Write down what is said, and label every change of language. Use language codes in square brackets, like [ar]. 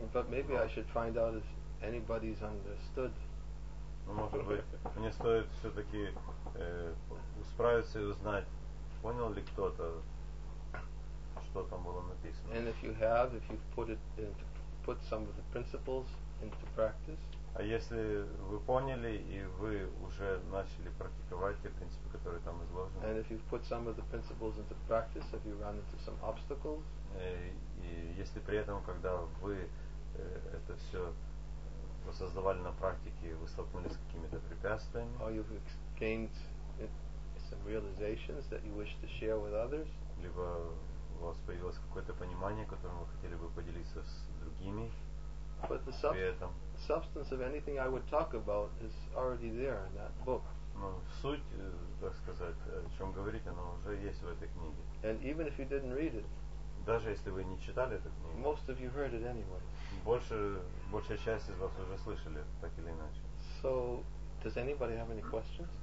[en] But maybe I should find out if anybody's understood. [ru] Ну, может быть, мне стоит все-таки справиться и узнать, понял ли кто-то, что там было написано. [en] And if you have, if you've put some of the principles into practice. [ru] А если вы поняли и вы уже начали практиковать те принципы, которые там изложены. [en] And if you've put some of the principles into practice, have you run into some obstacles? [ru] И если при этом, когда вы это все создавали на практике, вы столкнулись с какими-то препятствиями. [en] Or you've gained some realizations that you wish to share with others. [ru] Либо у вас появилось какое-то понимание, которым вы хотели бы поделиться с другими. [en] But the substance of anything I would talk about is already there in that book. [ru] Но суть, так сказать, о чем говорить, она уже есть в этой книге. [en] And even if you didn't read it. [ru] Даже если вы не читали эту книгу. [en] Most of you heard it anyway. [ru] Большая часть из вас уже слышали, так или иначе. [en] So, does anybody have any questions?